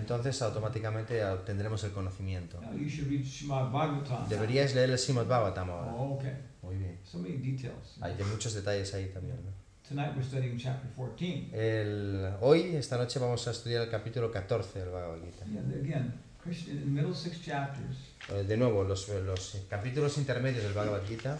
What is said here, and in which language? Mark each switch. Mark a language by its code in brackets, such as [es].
[es] Entonces automáticamente obtendremos el conocimiento. [en] Now you should read Srimad Bhagavatam. [es] Deberíais leer el Srimad Bhagavatam ahora. [en] Oh, okay. [es] Muy bien. [en] So many details. [es] Hay muchos detalles ahí también, ¿no? [en] Tonight we're studying chapter 14. [es] Esta noche vamos a estudiar el capítulo 14 del Bhagavad Gita. [en] Yeah, again, Krishna, in the middle six chapters. [es] De nuevo, los capítulos intermedios del Bhagavad Gita.